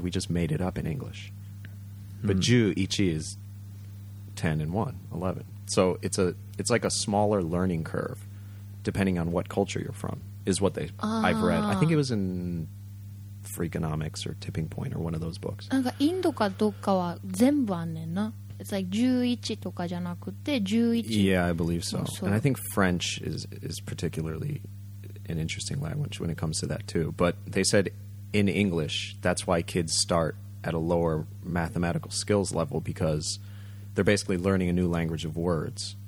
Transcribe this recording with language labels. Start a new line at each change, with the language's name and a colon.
English: We just made it up in English. Mm-hmm. But Ju Ichi is 10 and 1, 11. So it's like a smaller learning curve, depending on what culture you're from, is what they I've read. I think it was in Freakonomics or Tipping Point or one of those books.
Japanese: なんかインドかどっかは全部あんねんな。
English: It's like
Japanese: 11とかじゃなくて11。
English: Yeah, I believe so. And I think French is particularly an interesting language when it comes to that too. But they said in English, that's why kids start at a lower mathematical skills level because they're basically learning a new language of words.